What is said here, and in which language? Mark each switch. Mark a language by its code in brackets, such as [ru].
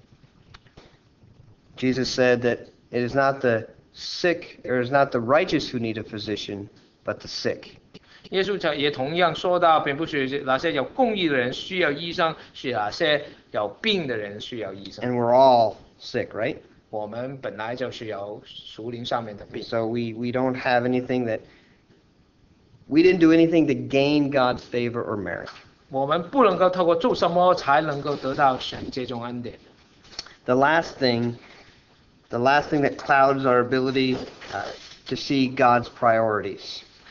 [zh] 耶稣曾经说过，他来到这个世界是来到寻找拯救罪人。 [en] Jesus said that it is not the sick, or it is not the righteous who need a physician, but the sick. [zh] 耶稣也同样说到，并不是那些有公义的人需要医生，是那些有病的人需要医生。 [en] And we're all sick, right? [zh] 我们本来就是有属灵上面的病。 [en] So we don't have anything that we didn't do anything to gain God's favor or merit. [zh] 我们不能够透过做什么才能够得到神这种恩典。 [en] The last thing that clouds our ability to see God's priorities.